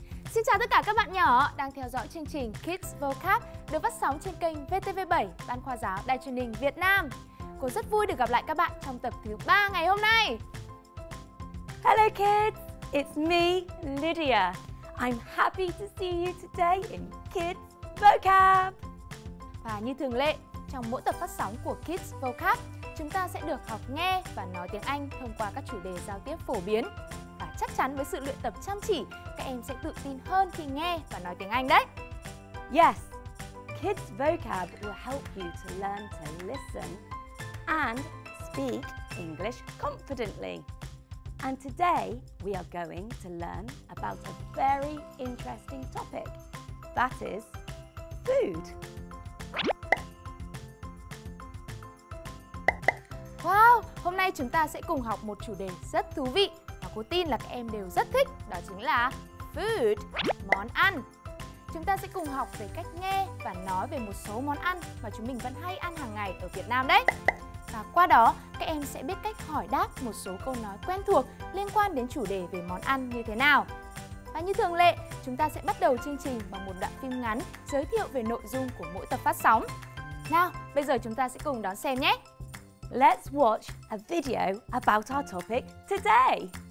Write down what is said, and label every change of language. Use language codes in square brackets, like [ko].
[vi] Xin chào tất cả các bạn nhỏ đang theo dõi chương trình Kids Vocab được phát sóng trên kênh VTV7, Ban Khoa Giáo Đài Truyền Hình Việt Nam. Cô rất vui được gặp lại các bạn trong tập thứ 3 ngày hôm nay. [en] Hello kids, it's me, Lydia. I'm happy to see you today in Kids Vocab. [vi] Và như thường lệ, trong mỗi tập phát sóng của Kids Vocab, chúng ta sẽ được học nghe và nói tiếng Anh thông qua các chủ đề giao tiếp phổ biến. Và chắc chắn với sự luyện tập chăm chỉ, các em sẽ tự tin hơn khi nghe và nói tiếng Anh đấy. [en] Yes, Kids Vocab will help you to learn to listen and speak English confidently. And today, we are going to learn about a very interesting topic, that is food. [vi] Wow, hôm nay chúng ta sẽ cùng học một chủ đề rất thú vị và cô tin là các em đều rất thích, đó chính là food, món ăn. Chúng ta sẽ cùng học về cách nghe và nói về một số món ăn mà chúng mình vẫn hay ăn hàng ngày ở Việt Nam đấy. Và qua đó, các em sẽ biết cách hỏi đáp một số câu nói quen thuộc liên quan đến chủ đề về món ăn như thế nào. Và như thường lệ, chúng ta sẽ bắt đầu chương trình bằng một đoạn phim ngắn giới thiệu về nội dung của mỗi tập phát sóng. Nào, bây giờ chúng ta sẽ cùng đón xem nhé! [en] Let's watch a video about our topic today!